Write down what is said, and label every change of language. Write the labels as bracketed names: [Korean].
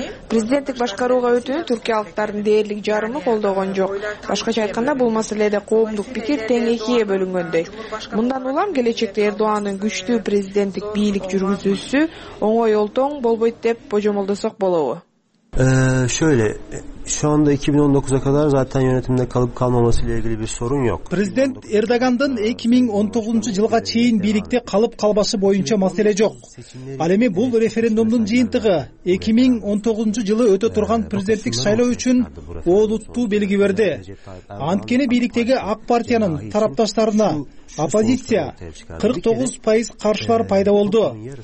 [Kyrgyz] Президенттик башкарууга өтүүнү түркиялыктардын дээрлик жарымы колдогон жок. Башкача айтканда, бул маселеде коомдук пикир тең экиге бөлүнгөндөй. Мындан улам келечекте Эрдоандын күчтүү президенттик бийлик жүргүзүүсү оңой олтоң болбойт деп божомолдосок болобу? [Turkish] Şöyle, şu anda 2019'a kadar zaten yönetimde kalıp kalmamasıyla ilgili bir sorun yok. [Kyrgyz] Президент Эрдогандын 2019 жылга чейин бийликте калып калбашы боюнча маселе жок. Ал эми бул референдумдун жыйынтыгы 2019 жылы өтө турган президенттик шайлоо үчүн олуттуу белги берди. Анткени бийликтеги Ак партиянын тарапташтарына оппозиция 49% каршылар пайда болду.